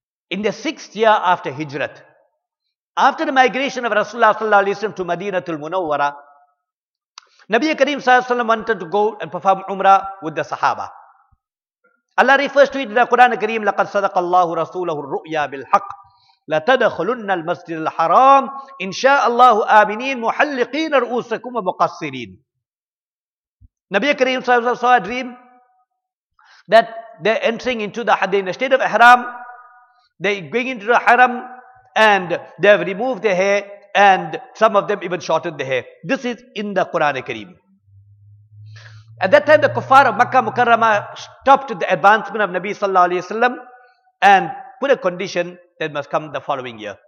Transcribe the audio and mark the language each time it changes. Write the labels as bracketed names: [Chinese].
[English] In the sixth year after Hijrat, after the migration of Rasulullah sallallahu alaihi wasallam to Madinatul Munawwara, Nabi Kareem sallallahu alaihi wasallam wanted to go and perform Umrah with the Sahaba. Allah refers to it in the Quran Kareem, [Arabic] لَقَدْ صَدَقَ اللَّهُ رَسُولَهُ الرُّؤْيَا بِالْحَقِّ لَتَدَخُلُنَّ الْمَسْجِدَ الْحَرَامِ إِنْ شَاءَ اللَّهُ آمِنِينَ مُحَلِّقِينَ رُؤُوسَكُمْ وَمُقَصِّرِينَ. [English] Nabi Kareem saw a dream that they're entering into the state of Ihram. They're going into the Haram and they've removed their hair, and some of them even shortened their hair. This is in the Quran Kareem. At that time, the Kuffar of Makkah Mukarramah stopped the advancement of Nabi Sallallahu Alaihi Wasallam and put a condition that must come the following year.